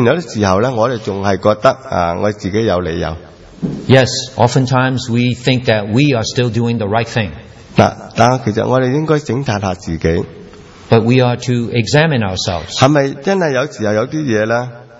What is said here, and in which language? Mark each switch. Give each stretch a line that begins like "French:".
Chinese: 虽然有些时候我们还是觉得我自己有理由。
English: Yes, oftentimes we think that we are still doing the right thing.
Chinese: 但其实我们应该审查一下自己。
English: But we are to examine ourselves.
Chinese: 是不是真的有时候有些事呢?